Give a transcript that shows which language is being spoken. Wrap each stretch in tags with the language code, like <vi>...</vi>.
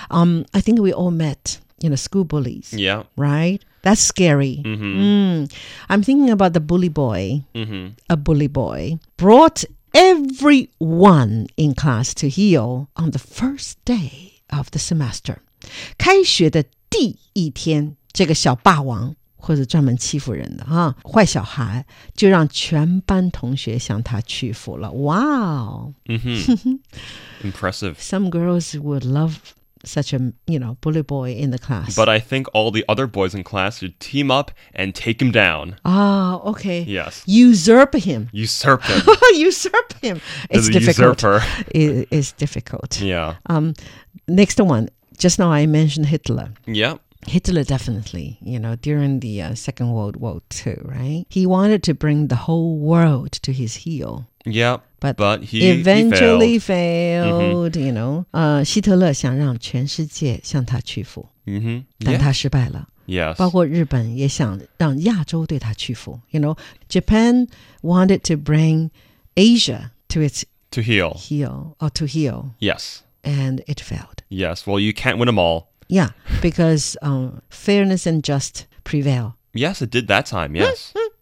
<en>I think we all met, you know, school bullies. Yeah. Right? That's scary. Mm-hmm. Mm. I'm thinking about the bully boy. Mm-hmm. A bully boy brought everyone in class to heel on the first day of the semester.</en> <zh>开学的第一天。这个小霸王或者专门欺负人的哈坏小孩就让全班同学向他屈服了。</zh> <en>Wow! Mm-hmm. Impressive. Some girls would love such a, you know, bully boy in the class. But I think all the other boys in class would team up and take him down. Ah, okay. Yes. Usurp him. Usurp him. Usurp him. It's difficult. It's difficult. Yeah. Next one. Just now I mentioned Hitler. Yep. Hitler definitely, you know, during the Second World War II, right? He wanted to bring the whole world to his heel. Yep, but he eventually failed,</en> <zh>mm-hmm.</zh> <en>you know.</en> <zh>希特勒想让全世界向他屈服、 mm-hmm. 但他失败了。</zh> <en>Yes.</en> <zh>包括日本也想让亚洲对他屈服。</zh> <en>You know, Japan wanted to bring Asia to its... To heel. Heel, or to heel. Yes. And it failed. Yes, well, you can't win them all. Yeah, because fairness and just prevail. Yes, it did that time, yes.</en>